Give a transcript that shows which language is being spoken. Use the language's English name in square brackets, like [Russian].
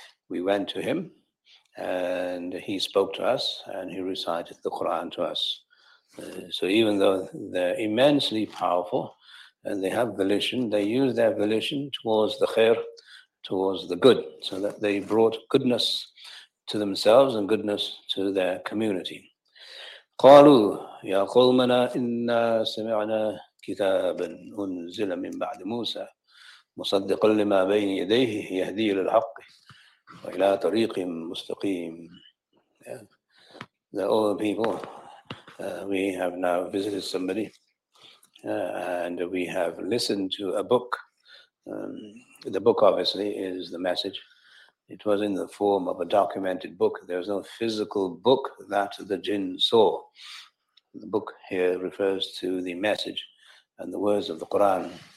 [English] We went to him and he spoke to us and he recited the Quran to us. So even though they're immensely powerful, and they have volition, they use their volition towards the khair, towards the good, so that they brought goodness to themselves and goodness to their community. [Arabic] قالوا يا قومنا إنا سمعنا كتابا أنزل من بعد موسى مصدقا لما بين يديه يهدي للحق وإلى طريق مستقيم. [English] The old people, we have now visited somebody and we have listened to a book. The book obviously is the message. It was in the form of a documented book. There was no physical book that the jinn saw. The book here refers to the message and the words of the Quran.